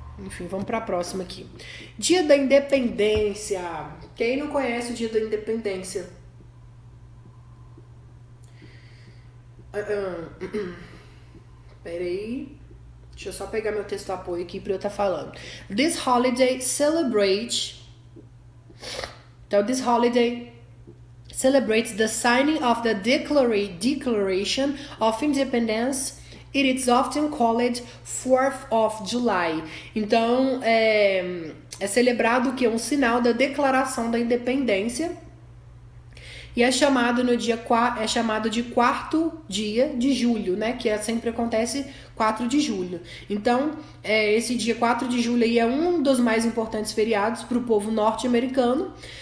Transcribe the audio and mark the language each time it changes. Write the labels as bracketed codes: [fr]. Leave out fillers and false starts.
[pt] Enfim, vamos para a próxima aqui. Dia da Independência. Quem não conhece o Dia da Independência? Peraí. Deixa eu só pegar meu texto apoio aqui para eu estar falando. [en] This holiday celebrates. Então, this holiday celebrates the signing of the Declaration of Independence. It is often called 4th of July. [pt] Então, é celebrado que é um sinal da Declaração da Independência e é chamado no dia é chamado de quarto dia de julho, né? Que sempre acontece 4 de julho. Então, esse dia 4 de julho aí é um dos mais importantes feriados para o povo norte-americano.